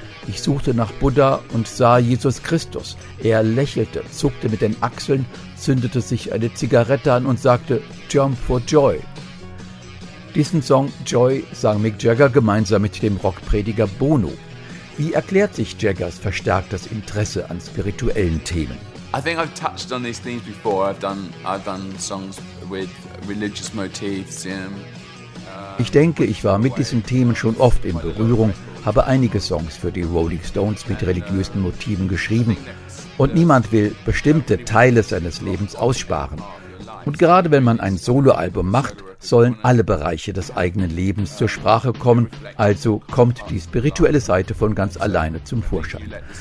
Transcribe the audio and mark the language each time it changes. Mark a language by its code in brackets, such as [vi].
[de] Ich suchte nach Buddha und sah Jesus Christus. Er lächelte, zuckte mit den Achseln, zündete sich eine Zigarette an und sagte: Jump for Joy. Diesen Song Joy sang Mick Jagger gemeinsam mit dem Rockprediger Bono. Wie erklärt sich Jaggers verstärktes Interesse an spirituellen Themen? [en] I think I've touched on these things before. I've done songs with religious motifs. [de] Ich denke, ich war mit diesen Themen schon oft in Berührung, habe einige Songs für die Rolling Stones mit religiösen Motiven geschrieben. Und niemand will bestimmte Teile seines Lebens aussparen. Und gerade wenn man ein Soloalbum macht, sollen alle Bereiche des eigenen Lebens zur Sprache kommen, also kommt die spirituelle Seite von ganz alleine zum Vorschein.